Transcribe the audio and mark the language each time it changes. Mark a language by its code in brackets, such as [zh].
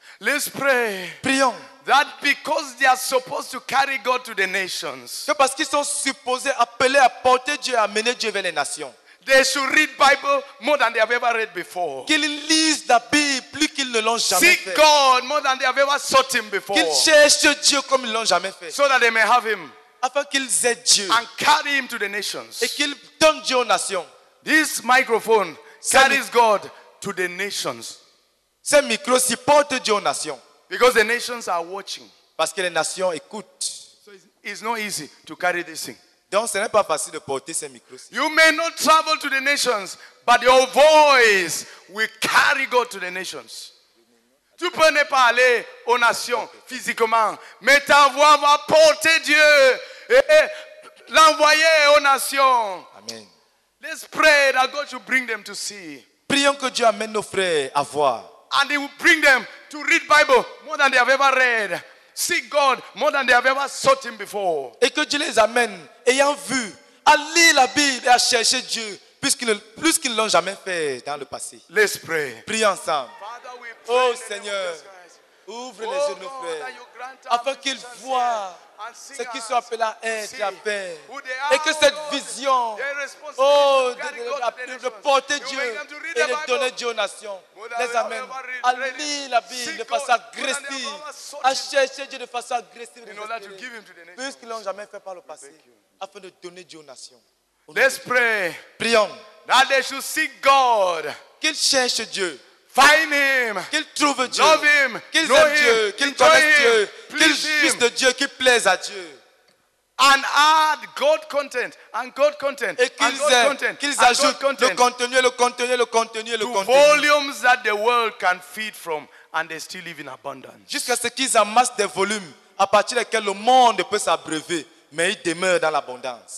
[en] Let's pray. [fr] Prions. [en] That because they are supposed to carry God to the nations. [fr] Que parce qu'ils sont supposés appelés à porter Dieu et amener Dieu vers les nations. [en] They should read Bible more than they have ever read before. [fr] Qu'ils lisent la Bible plus qu'ils ne l'ont jamais [en] Seek [fr] fait. [en] Seek God more than they have ever sought him before. [fr] Qu'ils cherchent Dieu comme ils ne l'ont jamais fait. [en] So that they may have him. [fr] Afin qu'ils aient Dieu. [en] And carry him to the nations. [fr] Et qu'ils donnent Dieu aux nations. [en] This microphone carries God to the nations. [fr] Ce micro porte Dieu aux nations. [en] Because the nations are watching. [fr] Parce que les nations écoutent. [en] So it's not easy to carry this thing. [fr] Donc ce n'est pas facile de porter ce micro. [en] You may not travel to the nations, but your voice will carry God to the nations. [fr] Tu peux ne pas aller aux nations physiquement, mais ta voix va porter Dieu et l'envoyer aux nations. [en] Amen. Let's pray that God should bring them to see. [fr] Prions que Dieu amène nos frères à voir. [en] And he will bring them to read Bible more than they have ever read. Seek God more than they have ever sought him before. [fr] Et que Dieu les amène, ayant vu, à lire la Bible et à chercher Dieu plus qu'ils ne l'ont jamais fait dans le passé. [en] Let's pray. [fr] Prions ensemble. [en] Father, we pray. [fr] Oh Seigneur, ouvre les yeux de nos frères afin qu'ils voient ce qu'ils sont appelés à être à faire. Et que cette vision, de porter Dieu et de donner Dieu aux nations, les amène à lire la Bible de façon agressive, à chercher Dieu de façon agressive, puisqu'ils ne l'ont jamais fait par le passé, afin de donner Dieu aux nations. [en] Let's pray. [fr] Prions. [en] That they should seek God. [fr] Qu'ils cherchent Dieu. [en] Find him. [fr] Qu'il trouve Dieu. [en] Love him. [fr] Qu'il aime Dieu. Qu'il connaisse Dieu. Qu'il juste de Dieu. Qu'il plaise à Dieu. [en] And add God content. And God content. [fr] Et qu'ils ajoutent le contenu. [en] Volumes that the world can feed from, and they still live in abundance. [fr] Jusqu'à ce qu'ils amassent des volumes à partir desquels le monde peut s'abreuver, mais ils demeurent dans l'abondance.